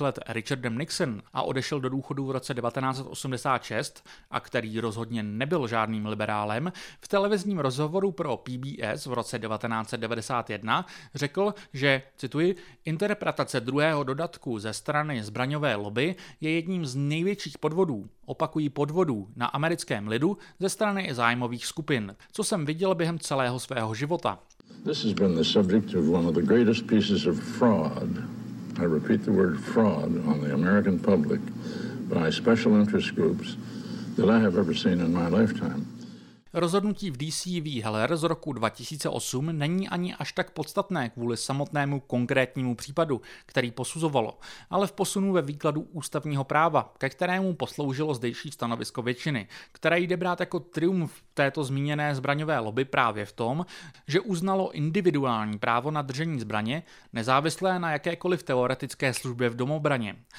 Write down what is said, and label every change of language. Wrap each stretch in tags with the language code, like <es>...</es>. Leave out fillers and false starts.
<cs>let Richardem Nixon a odešel do důchodu v roce 1986 a který rozhodně nebyl žádným liberálem, v televizním rozhovoru pro PBS v roce 1991 řekl, že, cituji, interpretace druhého dodatku ze strany zbraňové lobby je jedním z největších podvodů, opakují podvodů, na americkém lidu ze strany zájmových skupin, co jsem viděl během celého svého života.</cs> <en>This has been the subject of one of the greatest pieces of fraud. I repeat the word fraud on the American public by special interest groups that I have ever seen in my lifetime.</en> <cs>Rozhodnutí v DC v. Heller z roku 2008 není ani až tak podstatné kvůli samotnému konkrétnímu případu, který posuzovalo, ale v posunu ve výkladu ústavního práva, ke kterému posloužilo zdejší stanovisko většiny, které jde brát jako triumf této zmíněné zbraňové lobby právě v tom, že uznalo individuální právo na držení zbraně, nezávislé na jakékoliv teoretické službě v domobraně.</cs>